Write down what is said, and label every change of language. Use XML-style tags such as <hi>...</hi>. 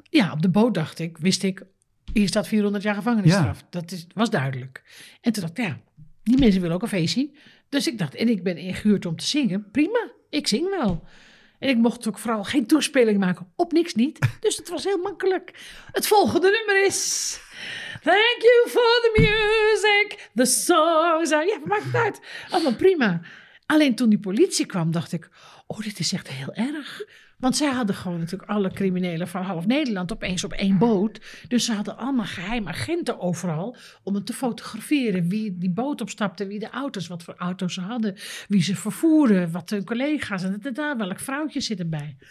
<nl>Ja, op de boot dacht ik, wist ik, hier staat 400 jaar gevangenisstraf. Ja. Dat was duidelijk. En toen dacht ik, ja, die mensen willen ook een feestje. Dus ik dacht, en ik ben ingehuurd om te zingen. Prima, ik zing wel. En ik mocht ook vooral geen toespeling maken op niks niet. Dus het was heel makkelijk. Het volgende nummer is...</nl> <en>Thank you for the music, the songs.</en> <nl>Ja, maakt het uit. Allemaal prima. Alleen toen die politie kwam, dacht ik, oh, dit is echt heel erg. Want zij hadden gewoon natuurlijk alle criminelen van half Nederland opeens op één boot. Dus ze hadden allemaal geheime agenten overal om het te fotograferen. Wie die boot opstapte, wie de auto's, wat voor auto's ze hadden. Wie ze vervoeren, wat hun collega's en daar welk vrouwtje zit erbij.</nl>